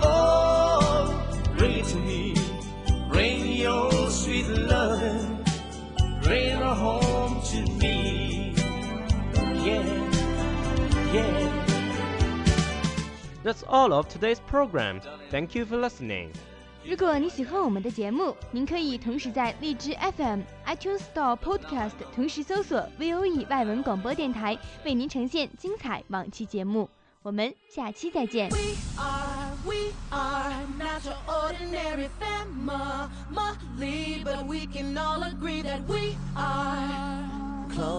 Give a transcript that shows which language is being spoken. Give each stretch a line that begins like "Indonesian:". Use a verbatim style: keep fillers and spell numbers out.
English: Oh, bring it to me. Bring your sweet loving. Bring her home to me. Yeah. That's all of today's program. Thank you for listening.
Chinese: 如果你喜欢我们的节目，您可以同时在荔枝 F M、iTunes Store Podcast 同时搜索 V O E 外文广播电台，为您呈现精彩往期节目。我们下期再见。
English: We are, we are not your ordinary family, but we can all agree that we are. Close as close can be. Too close. So it don't matter what it looks